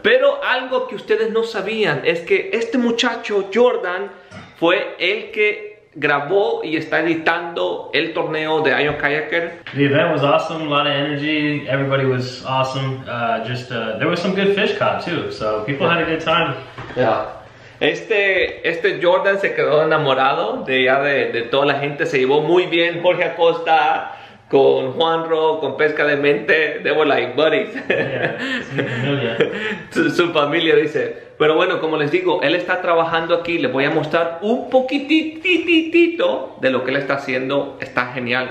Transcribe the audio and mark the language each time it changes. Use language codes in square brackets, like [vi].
[es] Pero algo que ustedes no sabían es que este muchacho Jordan fue el que grabó y está editando el torneo de Iron Kayaker. [en] The event was awesome, a lot of energy, everybody was awesome. There was some good fish caught too, so people had a good time. Yeah. [es] Este Jordan se quedó enamorado de ya de toda la gente, se llevó muy bien Jorge Acosta con Juanro, con Pesca de Mente, [en] they were like buddies. Yeah, [es] su familia dice. Pero bueno, como les digo, él está trabajando aquí. Les voy a mostrar un poquititito de lo que él está haciendo. Está genial.